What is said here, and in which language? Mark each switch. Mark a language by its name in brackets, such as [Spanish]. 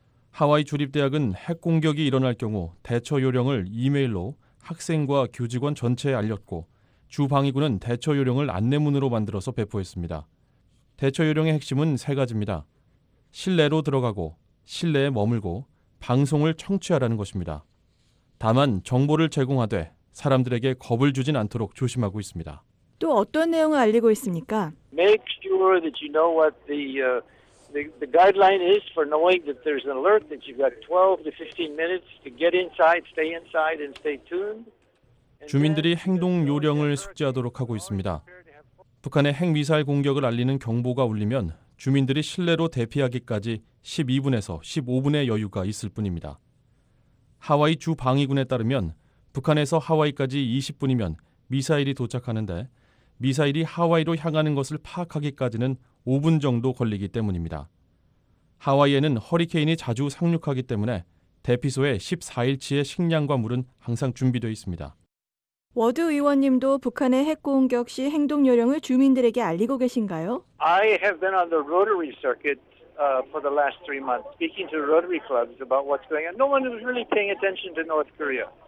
[Korean] 하와이 주립대학은 핵 공격이 일어날 경우 대처 요령을 이메일로 학생과 교직원 전체에 알렸고 주방위군은 대처 요령을 안내문으로 만들어서 배포했습니다. 대처 요령의 핵심은 세 가지입니다. 실내로 들어가고 실내에 머물고 방송을 청취하라는 것입니다. 다만 정보를 제공하되 사람들에게 겁을 주진 않도록 조심하고 있습니다. 또 어떤 내용을 알리고 있습니까? [English] Make sure that you know what the guideline is for knowing that there's an alert that you've got 12 to 15 minutes to get inside and stay tuned. [Korean] 주민들이 행동 요령을 숙지하도록 하고 있습니다. 북한의 핵 미사일 공격을 알리는 경보가 울리면 주민들이 실내로 대피하기까지 12분에서 15분의 여유가 있을 뿐입니다. 하와이 주 방위군에 따르면 북한에서 하와이까지 20분이면 미사일이 도착하는데 미사일이 하와이로 향하는 것을 파악하기까지는 5분 정도 걸리기 때문입니다. 하와이에는 허리케인이 자주 상륙하기 때문에 대피소에 14일치의 식량과 물은 항상 준비되어 있습니다. 워드 의원님도 북한의 핵 공격 시 행동 요령을 주민들에게 알리고 계신가요? [English] I have been on the Rotary circuit for the last 3 months speaking to Rotary clubs about what's going on. No one was really paying attention to North Korea.